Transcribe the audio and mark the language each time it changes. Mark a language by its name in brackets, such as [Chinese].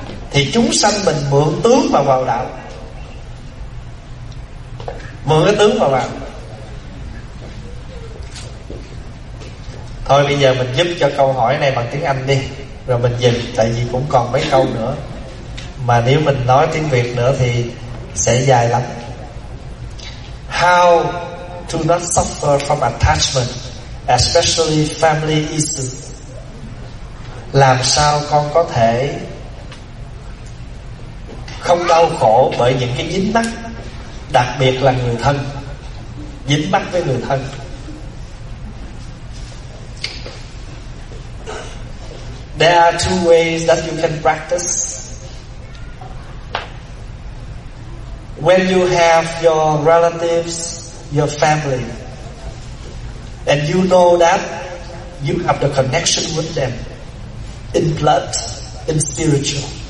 [Vietnamese] Thì chúng sanh mình mượn tướng mà vào đạo, mượn cái tướng mà vào. Thôi bây giờ mình giúp cho câu hỏi này bằng tiếng Anh đi, rồi mình dừng, tại vì cũng còn mấy câu nữa. Mà nếu mình nói tiếng Việt nữa thì sẽ dài lắm. [English] How to not suffer from attachment, especially family issues. [Vietnamese] Làm sao con có thể không đau khổ bởi những cái dính mắc, đặc biệt là người thân, dính mắc với người thân. [English] There are two ways that you can practice. When you have your relatives, your family, And you know that you have the connection with them in blood, in spiritual.